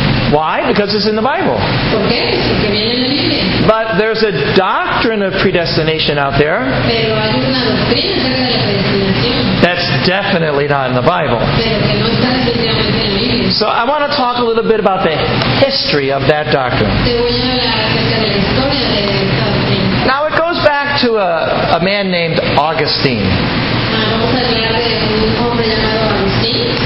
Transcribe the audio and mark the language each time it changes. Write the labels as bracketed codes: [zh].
[en] Why? Because it's in the Bible. [es] ¿Por qué? Porque viene en la Biblia. [en] But there's a doctrine of predestination out there. [es] Pero hay una doctrina acerca de la predestinación. [en] That's definitely not in the Bible. [es] Pero que no está definitivamente en la Biblia. [en] So I want to talk a little bit about the history of that doctrine. [es] Te voy a hablar acerca de la historia de esta doctrina. [en] Now it goes back to a man named Augustine. [es] Vamos a hablar de un hombre llamado Agustín.